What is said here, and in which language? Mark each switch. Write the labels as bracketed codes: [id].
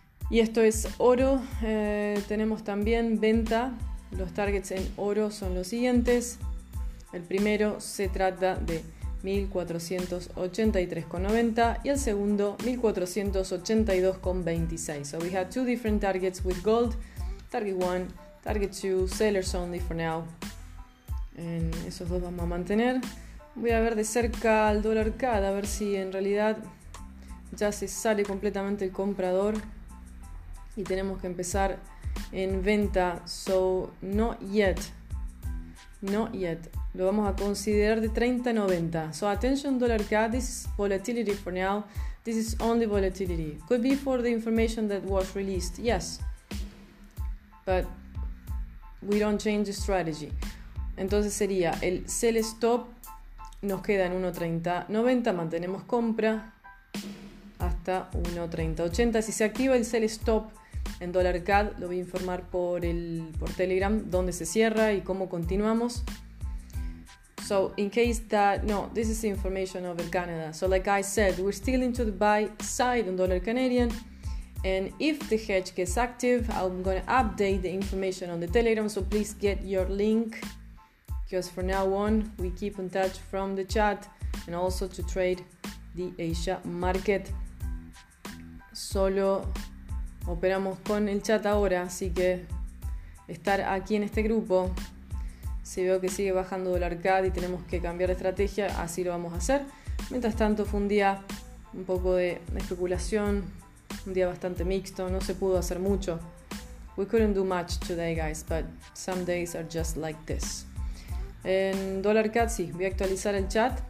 [es] Y esto es oro. Tenemos también venta. Los targets en oro son los siguientes. El primero se trata de 1483,90 y el segundo 1482,26. [en] So we have two different targets with gold. Target 1, target 2, sellers only for now. [es] En esos dos vamos a mantener. Voy a ver de cerca al dólar CAD, a ver si en realidad ya se sale completamente el comprador. Y tenemos que empezar en venta. [en] So, not yet. Not yet. [es] Lo vamos a considerar de 30 a 90. [en] So, attention, dollar CAD. This is volatility for now. This is only volatility. Could be for the information that was released. Yes. But we don't change the strategy. [es] Entonces sería el sell stop. Nos queda en 1.30 90. Mantenemos compra hasta 1.30 80. Si se activa el sell stop. En dólar CAD lo voy a informar por Telegram dónde se cierra y cómo continuamos. [en] So, in case that, no, this is the information over Canada. So, like I said, we're still into the buy side on dollar Canadian. And if the hedge gets active, I'm going to update the information on the Telegram, so please get your link, because for now on, we keep in touch from the chat and also to trade the Asia market. [es] Solo operamos con el chat ahora, así que estar aquí en este grupo, si veo que sigue bajando dólar CAD y tenemos que cambiar de estrategia, así lo vamos a hacer. Mientras tanto, fue un día un poco de especulación, un día bastante mixto, no se pudo hacer mucho. [en] We couldn't do much today, guys, but some days are just like this. [es] En dólar CAD, sí, voy a actualizar el chat.